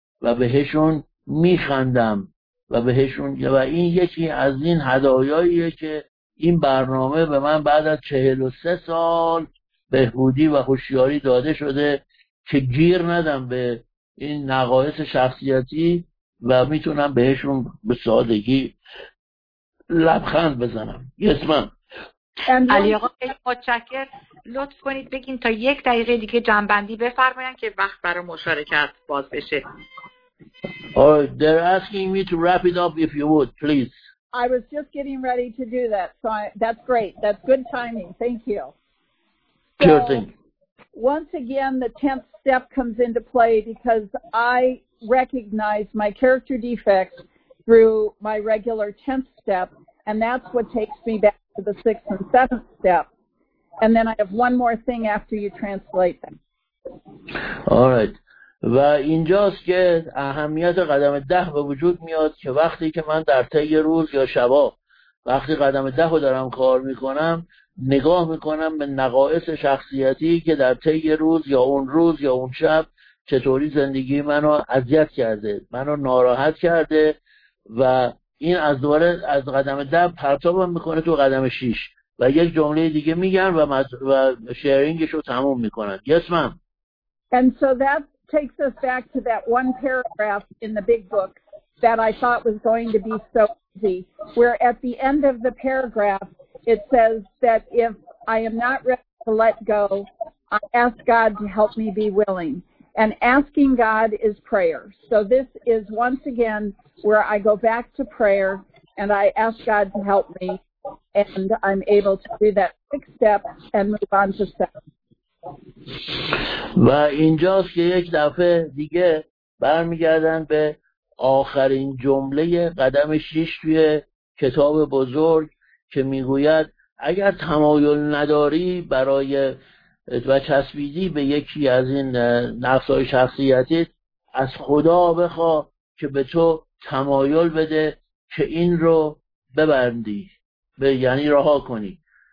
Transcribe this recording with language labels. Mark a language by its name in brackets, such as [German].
[Persian] و بهشون میخندم و بهشون و این یکی از این هدایاییه که این برنامه به من بعد از 43 سال بهبودی و هوشیاری داده شده که گیر ندم به این نقایص شخصیتی و میتونم بهشون به سادگی لبخند بزنم. [English] یسمن [Persian] علی آقا متشکر. لطف کنید بگین تا یک دقیقه دیگه جنبندی بفرماین که وقت برای مشارکت باز بشه. [English] Oh, they're asking me to wrap it up if you would, please. I was just getting ready to do that, so that's great. That's good timing. Thank you. Sure thing. Once again, the 10th step comes into play because I recognize my character defects through my regular 10th step, and that's what takes me back to the 6th and 7th step. And then I have one more thing after you translate them. All right. [Persian] و اینجاست که اهمیت قدم 10 به وجود میاد که وقتی که من در طی روز یا شبا وقتی قدم 10 رو دارم کار میکنم نگاه میکنم به نقایص شخصیتی که در طی روز یا اون روز یا اون شب چطوری زندگی منو اذیت کرده، منو ناراحت کرده و این از دوباره از قدم 10 پرتابم میکنه تو قدم 6 و یک جمله دیگه میگن و شیرینگش رو تموم میکنن. [English] Yes ma'am. And so that takes us back to that one paragraph in the big book that I thought was going to be so easy, where at the end of the paragraph it says that if I am not ready to let go, I ask God to help me be willing. And asking God is prayer. So this is once again where I go back to prayer and I ask God to help me, and I'm able to do that 6 step and move on to 7. [Persian] و اینجاست که یک دفعه دیگه برمیگردن به آخرین جمله قدم 6 توی کتاب بزرگ که میگوید اگر تمایل نداری برای و چسبیدی به یکی از این نقصهای شخصیتیت از خدا بخوا که به تو تمایل بده که این رو ببندی، به یعنی رها کنی.